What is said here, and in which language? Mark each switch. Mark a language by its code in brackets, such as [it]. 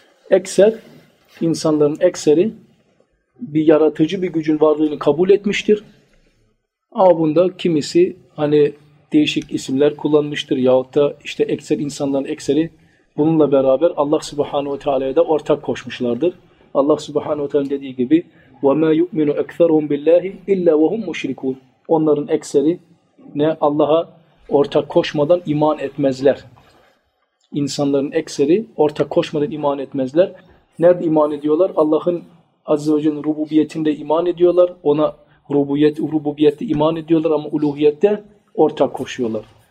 [tr] Ekser, insanların ekseri bir yaratıcı bir gücün varlığını kabul etmiştir. Ama bunda kimisi hani değişik isimler kullanmıştır yahut da işte ekser insanların ekseri bununla beraber Allah Subhanahu ve Teala'ya da ortak koşmuşlardır. Allah Subhanahu ve Teala'nın dediği gibi [ar] وَمَا يُؤْمِنُ اَكْثَرُهُمْ بِاللّٰهِ اِلَّا وَهُمْ مُشْرِكُونَ. [tr] Onların ekseri ne Allah'a ortak koşmadan iman etmezler. İnsanların ekseri ortak koşmadan iman etmezler. Nerede iman ediyorlar? Allah'ın Azze ve Celle'nin rububiyetinde iman ediyorlar. Ona rububiyette iman ediyorlar ama uluhiyette ortak koşuyorlar.